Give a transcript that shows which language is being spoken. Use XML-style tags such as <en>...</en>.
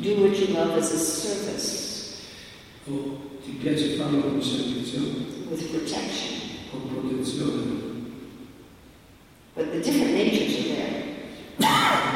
<en>do what you love as a service,</en> <it>o ti piace farlo con servizio,</it> <en>with protection,</en> <it>con protezione,</it> <en>but the different natures are there.</en>